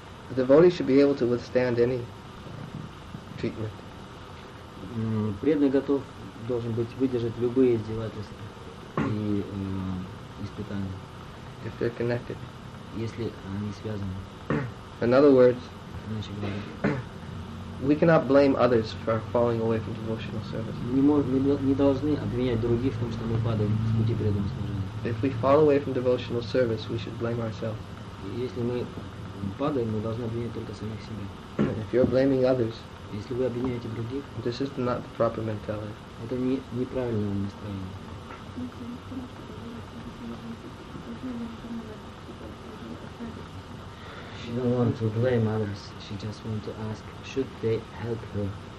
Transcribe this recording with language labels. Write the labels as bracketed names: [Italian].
[English] A devotee should be able to withstand any treatment. [Russian] Преданный готов должен быть выдержать любые издевательства и испытания. [English] If they're connected. [Russian] Если они связаны. [English] In other words, we cannot blame others for falling away from devotional service. [Russian] Не должны обвинять других в том, что мы падаем с пути преданного служения. [English] If we fall away from devotional service, we should blame ourselves. [Russian] Если мы падаем, мы должны обвинять только самих себя. [English] If you're blaming others, [Russian] если вы обвиняете других, [English] this is not the proper mentality. [Russian] Это неправильное настроение. [English] She don't want to blame others. She just want to ask, should they help her?